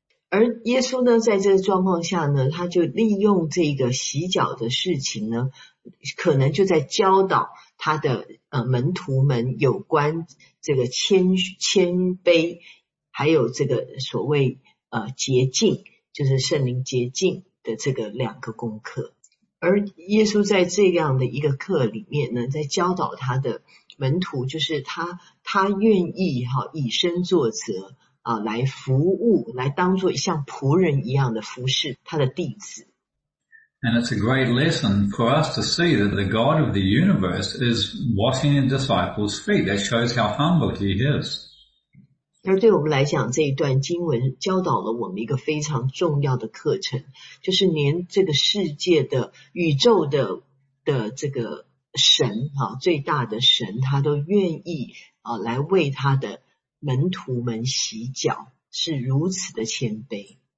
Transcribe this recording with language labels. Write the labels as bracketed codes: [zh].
[zh] 而耶稣呢，在这个状况下呢，他就利用这个洗脚的事情呢，可能就在教导他的门徒们有关这个谦卑，还有这个所谓洁净，就是圣灵洁净的这个两个功课。而耶稣在这样的一个课里面呢，在教导他的门徒，就是他愿意以身作则。来服务，来当作像仆人一样的服侍他的弟子。 [en] And it's a great lesson for us to see that the God of the universe is washing his disciples' feet. That shows how humble he is. [zh] 而对我们来讲，这一段经文教导了我们一个非常重要的课程，就是连这个世界的宇宙的这个神，最大的神，他都愿意来为他的门徒们洗脚，是如此的谦卑。